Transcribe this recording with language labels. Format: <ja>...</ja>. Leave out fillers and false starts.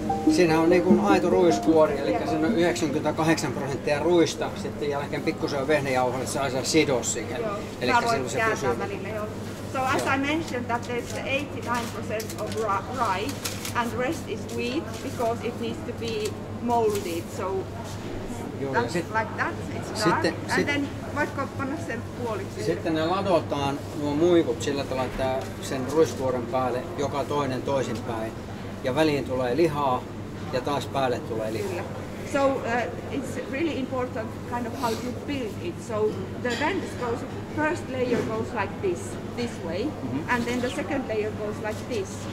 <fi>Siinä on niin kuin aito ruiskuori, eli se on 98% ruista. Sitten jälkeen pikkusen on vehnäjauhoa, että saa sidos siihen. Joo, eli se on se pysyvä.</fi> <en>So as I mentioned that there's 89% of rye and the rest is wheat because it needs to be molded. So that's like that, it's dark.</en> <fi>Sitten,</fi> <en>and then</en> <fi>voitko panna sen puoliksi? Sitten ne ladotaan nuo muikut sillä tavalla, että sen ruiskuoren päälle joka toinen toisinpäin. Ja väliin tulee lihaa ja taas päälle tulee lihaa.</fi> <en>So it's really important kind of how you build it. So the vent goes, first layer goes like this. This way, mm-hmm. And then the second layer goes like this.</en>